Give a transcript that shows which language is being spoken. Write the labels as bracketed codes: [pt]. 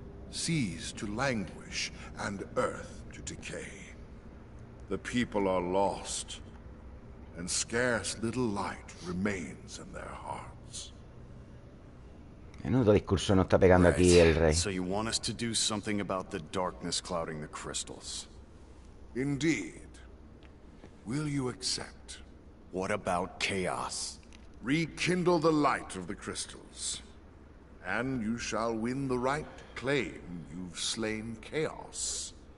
[en] Seas to languish and earth to decay. The people are lost, and scarce little light remains in their hearts. [es] Menudo discurso no está pegando aquí el rey. [en] So you want us to do something about the darkness clouding the crystals? Indeed. Will you accept? What about chaos? Rekindle the light of the crystals, and you shall win the right claim you've slain chaos